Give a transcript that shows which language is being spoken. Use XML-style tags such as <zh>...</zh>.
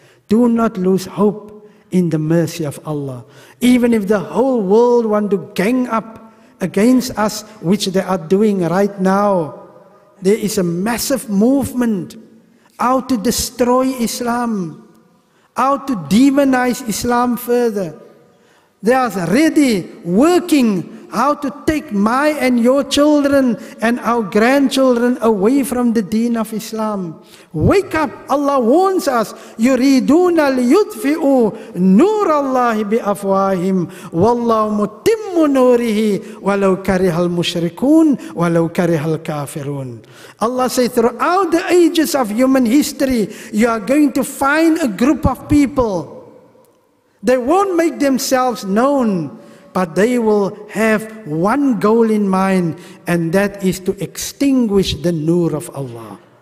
<en>Do not lose hope in the mercy of Allah. Even if the whole world want to gang up against us, which they are doing right now, there is a massive movement out to destroy Islam, out to demonize Islam further. They are ready working how to take my and your children and our grandchildren away from the deen of Islam. Wake up, Allah warns us,</en> <ar>يُرِيدُونَ لِيُطْفِئُوا نُورَ اللَّهِ بِأَفْوَاهِمْ وَاللَّهُ مُتِمُّ نُورِهِ وَلَوْ كَرِهَ الْمُشْرِكُونَ وَلَوْ كَرِهَ الْكَافِرُونَ.</ar> <en>Allah says, throughout the ages of human history, you are going to find a group of people. They won't make themselves known, but they will have one goal in mind, and that is to extinguish the nur of Allah.</en>